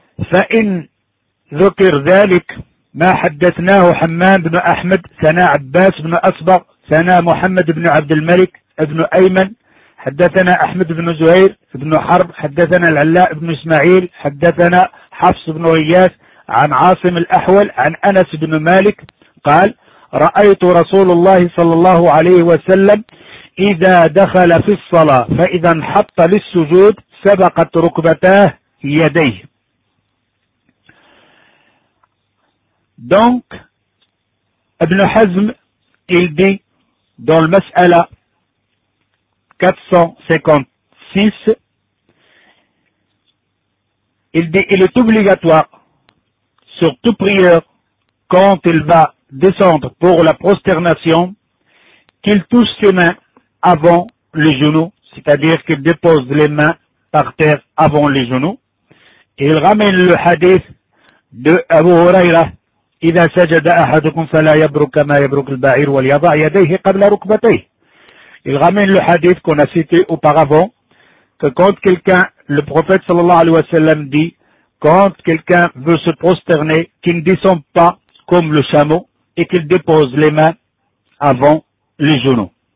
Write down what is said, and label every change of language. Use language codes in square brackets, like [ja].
[ar] فإن ذكر ذلك ما حدثناه حمام بن أحمد، ثنا عباس بن أصبغ، ثنا محمد بن عبد الملك بن أيمن، حدثنا أحمد بن زهير بن حرب، حدثنا العلاء بن إسماعيل، حدثنا حفص بن غياث عن عاصم الأحول عن أنس بن مالك قال: رأيت رسول الله صلى الله عليه وسلم إذا دخل في الصلاة فإذا انحط للسجود سبقت ركبتاه يديه. [fr] دونك ابن حزم إلدي دون المسألة 456, il dit, il est obligatoire sur toute prière, quand il va descendre pour la prosternation, qu'il touche ses mains avant les genoux, c'est-à-dire qu'il dépose les mains par terre avant les genoux. Et il ramène le hadith de Abu Huraira: [ar] إذا سجد أحدكم فلا يبرك كما يبرك البعير وليضع يديه قبل ركبتيه. [fr] Il ramène le hadith qu'on a cité auparavant, que quand quelqu'un, le prophète sallallahu alayhi wa sallam dit, quand quelqu'un veut se prosterner, qu'il ne descende pas comme le chameau et qu'il dépose les mains avant les genoux.